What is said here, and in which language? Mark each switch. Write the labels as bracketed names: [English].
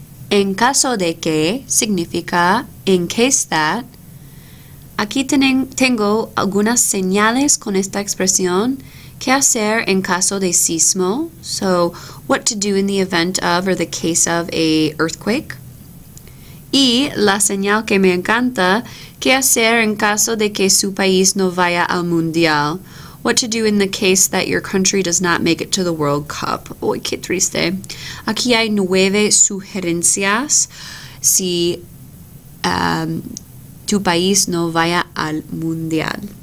[Spanish] En caso de que significa [English] in case that. [Spanish] Aquí tengo algunas señales con esta expresión. ¿Qué hacer en caso de sismo? [English] So, what to do in the event of or the case of a earthquake. [Spanish] Y la señal que me encanta, ¿qué hacer en caso de que su país no vaya al mundial? [English] What to do in the case that your country does not make it to the World Cup. [Spanish] Uy, qué triste. Aquí hay 9 sugerencias si tu país no vaya al mundial.